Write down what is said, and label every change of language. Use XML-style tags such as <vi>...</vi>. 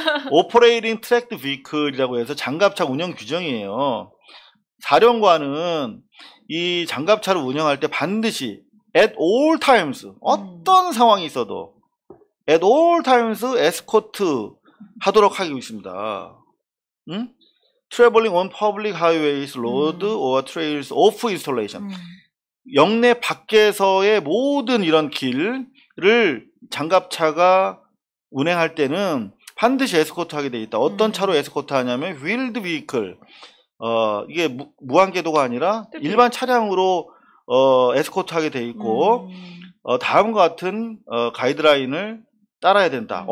<ko>Operating Tracked Vehicle 이라고 해서 장갑차 운영 규정이에요. 사령관은 이 장갑차를 운영할 때 반드시</ko> <en>at all times</en> <ko>어떤 상황이 있어도 at all times 에스코트 하도록 하고 있습니다. 응?</ko> <en>Traveling on public highways, road or trails off installation.</en> <ko>영내 밖에서의 모든 이런 길을 장갑차가 운행할 때는 반드시 에스코트 하게 돼 있다. 어떤 차로 에스코트 하냐면 wheeled vehicle. 이게 무한궤도가 아니라 일반 차량으로 에스코트 하게 돼 있고 다음과 같은 가이드라인을 따라야 된다.</ko>